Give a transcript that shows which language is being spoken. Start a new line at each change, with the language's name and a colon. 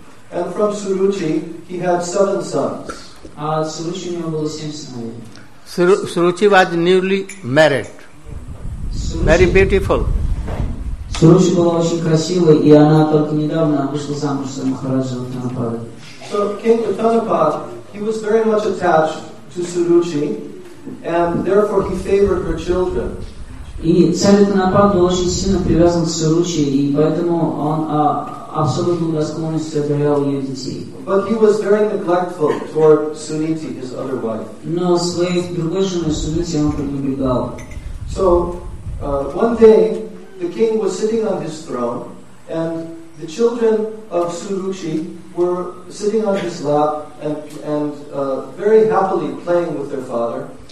English: And from Suruchi, he had seven sons. Suruchi was newly married. Very beautiful.
Russian: Suruchi была очень красивой, и она только недавно вышла замуж за Махараджа Уттанапада.
English: So King Uttanapad, he was very much attached to Suruchi, and therefore he favored her children.
Russian: И царь Уттанапад был очень сильно привязан к Суручи, и поэтому он абсолютно благосклонность одарял ее детей.
English: But he was very neglectful toward Suniti, his other wife.
Russian: Но своей другой женой Суниti он пренебрегал.
English: So one day the king was sitting on his throne, and the children of Suruchi were sitting on his lap and very happily playing with their father.